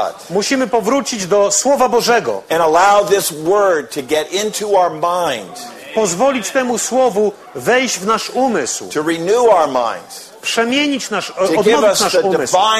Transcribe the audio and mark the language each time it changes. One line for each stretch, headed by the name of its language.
Polish: Musimy powrócić do Słowa Bożego.
English: And allow this word to get into our mind.
Polish: Pozwolić temu Słowu wejść w nasz umysł.
English: To renew our mind.
Polish: Przemienić nasz, odnowić nasz umysł.